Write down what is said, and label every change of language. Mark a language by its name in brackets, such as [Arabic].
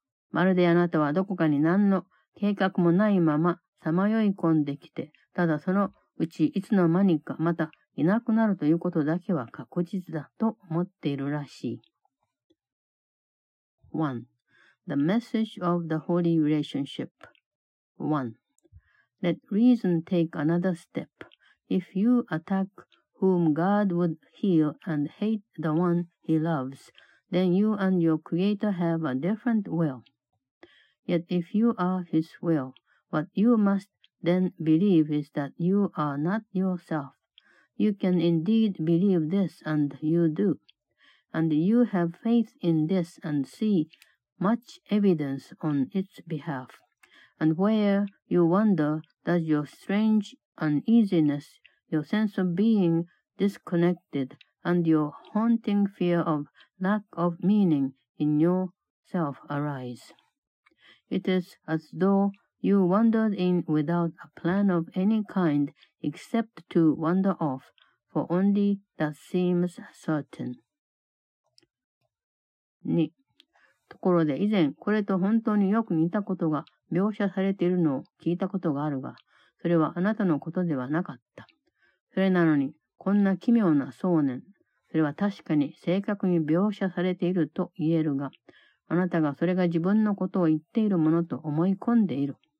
[Japanese] まるであなたはどこかに何の計画もないまま、さまよい込んできて、ただそのうちいつの間にかまたいなくなるということだけは確実だと思っているらしい。 [English] 1. The message of the holy relationship. 1. Let reason take another step. If you attack whom God would heal and hate the one he loves, then you and your creator have a different will. Yet if you are his will,What you must then believe is that you are not yourself. You can indeed believe this, and you do. And you have faith in this and see much evidence on its behalf. And where, you wonder, does your strange uneasiness, your sense of being disconnected, and your haunting fear of lack of meaning in yourself arise? It is as though... You wandered in without a plan of any kind except to wander off, for only that seems certain. 2. [Japanese] ところで以前これと本当によく似たことが描写されているのを聞いたことがあるが、それはあなたのことではなかった。それなのにこんな奇妙な想念、それは確かに正確に描写されていると言えるが、あなたがそれが自分のことを言っているものと思い込んでいる。